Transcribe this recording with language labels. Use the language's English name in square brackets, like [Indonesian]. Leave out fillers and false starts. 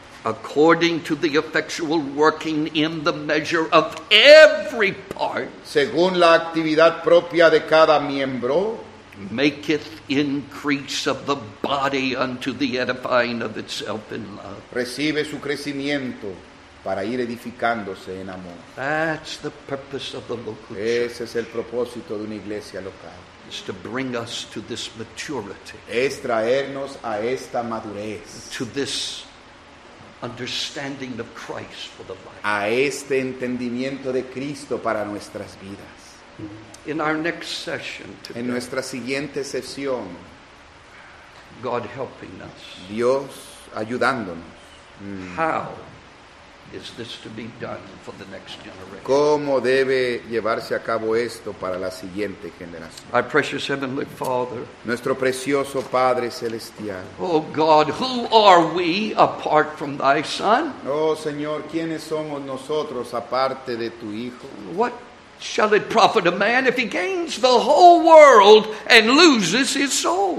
[English] According to the effectual working in the measure of every part. [Spanish] Según la actividad propia de cada miembro. [English] Maketh increase of the body unto the edifying of itself in love. [Spanish] Recibe su crecimiento para ir edificándose en amor. [English] That's the purpose of the local church. [Spanish] Ese es el propósito de una iglesia local. [English] Is to bring us to this maturity. [Spanish] Es traernos a esta madurez. [English] To this understanding of Christ for the life. [Spanish] A este entendimiento de Cristo para nuestras vidas. [English] In our next session today. [Spanish] En nuestra siguiente sesión. [English] God helping us. [Spanish] Dios ayudándonos. [English] How is this to be done for the next generation? [Spanish] ¿Cómo debe llevarse a cabo esto para la siguiente generación? [English] Our precious heavenly Father, [Spanish] nuestro precioso Padre celestial. [English] Oh God, who are we apart from thy Son? [Spanish] Oh Señor, ¿quiénes somos nosotros aparte de tu Hijo? [English] What shall it profit a man if he gains the whole world and loses his soul?